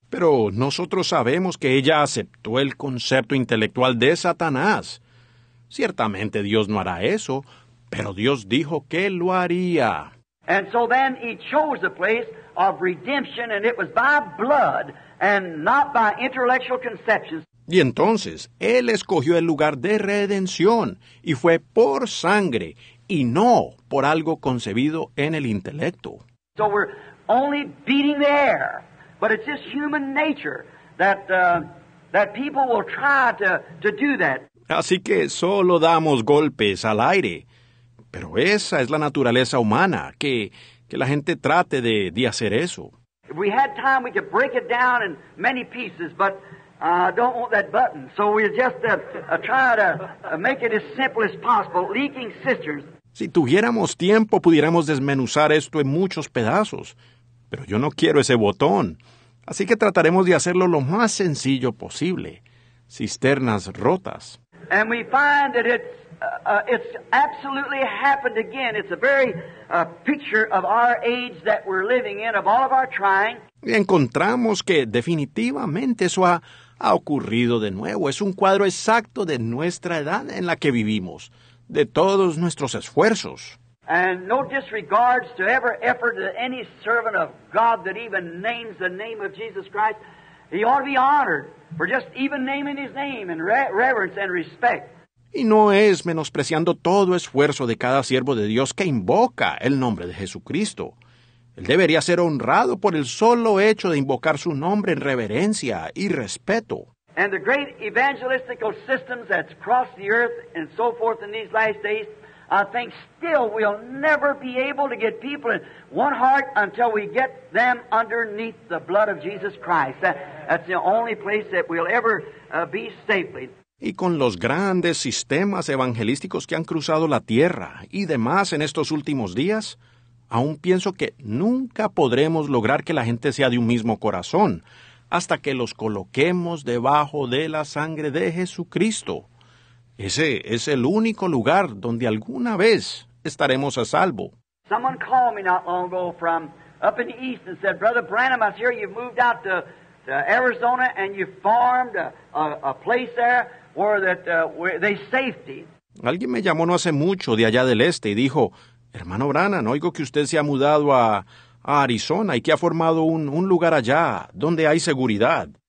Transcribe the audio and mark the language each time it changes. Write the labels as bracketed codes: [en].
[es] Pero nosotros sabemos que ella aceptó el concepto intelectual de Satanás. Ciertamente Dios no hará eso, pero Dios dijo que lo haría. [en] And so then he chose a place of redemption, and it was by blood. And not by intellectual conceptions. [es] Y entonces, él escogió el lugar de redención, y fue por sangre, y no por algo concebido en el intelecto. [en] So we're only beating the air, but it's just human nature that that people will try to do that. [es] Así que solo damos golpes al aire, pero esa es la naturaleza humana, que la gente trate de hacer eso. [en] If we had time, we could break it down in many pieces, but I don't want that button. So we'll just try to make it as simple as possible. Leaking cisterns. [es] Si tuviéramos tiempo, pudiéramos desmenuzar esto en muchos pedazos. Pero yo no quiero ese botón. Así que trataremos de hacerlo lo más sencillo posible. Cisternas rotas. [en] And we find that it's It's absolutely happened again. It's a very picture of our age that we're living in, of all of our trying. [es] Y encontramos que definitivamente eso ha ocurrido de nuevo. Es un cuadro exacto de nuestra edad en la que vivimos, de todos nuestros esfuerzos. [en] And no disregards to ever effort that any servant of God that even names the name of Jesus Christ, he ought to be honored for just even naming his name in reverence and respect. [es] Y no es menospreciando todo esfuerzo de cada siervo de Dios que invoca el nombre de Jesucristo. Él debería ser honrado por el solo hecho de invocar su nombre en reverencia y respeto. [en] And the great evangelistical systems that's crossed the earth and so forth in these last days, I think still we'll never be able to get people in one heart until we get them underneath the blood of Jesus Christ. That's the only place that we'll ever be safely. [es] Y con los grandes sistemas evangelísticos que han cruzado la tierra y demás en estos últimos días, aún pienso que nunca podremos lograr que la gente sea de un mismo corazón hasta que los coloquemos debajo de la sangre de Jesucristo. Ese es el único lugar donde alguna vez estaremos a salvo. [en] Someone called me not long ago from up in the east and said, Brother Branham, I hear you've moved out to Arizona and you farmed a place there where that where they safety. [es] Alguien me llamó no hace mucho de allá del este y dijo, hermano Branham, oigo que usted se ha mudado a Arizona y que ha formado un lugar allá donde hay seguridad.